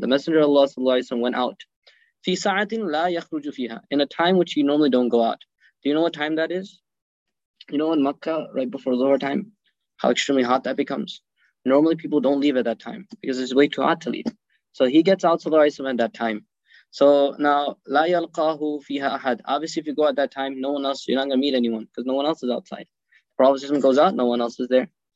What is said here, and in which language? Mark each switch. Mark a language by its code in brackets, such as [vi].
[en] The Messenger of Allah صلى الله عليه وسلم went out. [ar] في ساعة لا يخرج فيها. [en] In a time which you normally don't go out. Do you know what time that is? You know in Mecca, right before Zuhr time, how extremely hot that becomes. Normally people don't leave at that time because it's way too hot to leave. So he gets out, صلى الله عليه وسلم, at that time. So now [ar] لا يلقاه فيها أحد. [en] Obviously, if you go at that time, no one else, you're not gonna meet anyone because no one else is outside. The Prophet goes out, no one else is there.